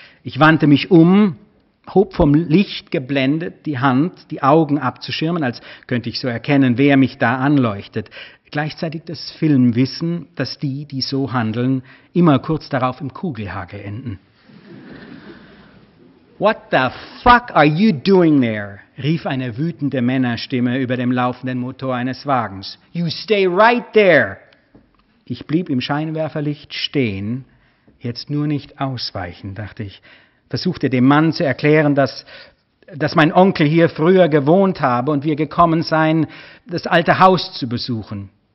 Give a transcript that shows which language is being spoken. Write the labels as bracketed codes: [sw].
[de] Ich wandte mich um, hob vom Licht geblendet die Hand, die Augen abzuschirmen, als könnte ich so erkennen, wer mich da anleuchtet. Gleichzeitig das Filmwissen, dass die, die so handeln, immer kurz darauf im Kugelhagel enden. [en] What the fuck are you doing there? [de] Rief eine wütende Männerstimme über dem laufenden Motor eines Wagens. [en] You stay right there! [de] Ich blieb im Scheinwerferlicht stehen. Jetzt nur nicht ausweichen, dachte ich. Versuchte dem Mann zu erklären, dass mein Onkel hier früher gewohnt habe und wir gekommen seien, das alte Haus zu besuchen.